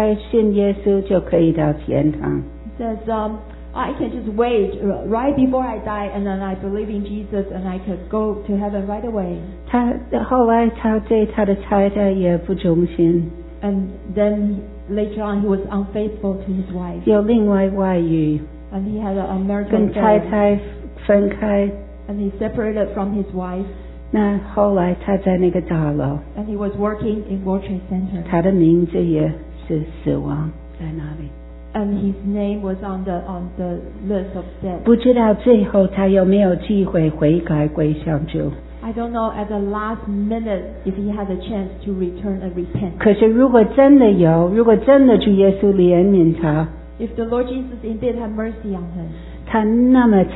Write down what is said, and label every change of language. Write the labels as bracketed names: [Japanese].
[Chinese] 他说，哦，到最后还没有死，赶快信耶稣就可以到天堂。 [English] He says, I can just wait right before I die, and then I believe in Jesus, and I could go to heaven right away. [Chinese] 后来他对他的太太也不忠心。 [English] And then later on, he was unfaithful to his wife. [Chinese] 有另外外遇, [English] and he had an American [Chinese] 跟太太分开, [English] and he separated from his wife. [Chinese] 那后来他在那个大楼, [English] and he was working in World Trade Center. [Chinese] 他的名字也是死亡在那里, [English] and his name was on the list of death. [Chinese] 不知道最后他有没有机会悔改归向主。 [English] I don't know at the last minute if he had a chance to return and repent. [Chinese] 可是如果真的有, 如果真的主耶稣怜悯他, [English] if the Lord Jesus indeed had mercy on him,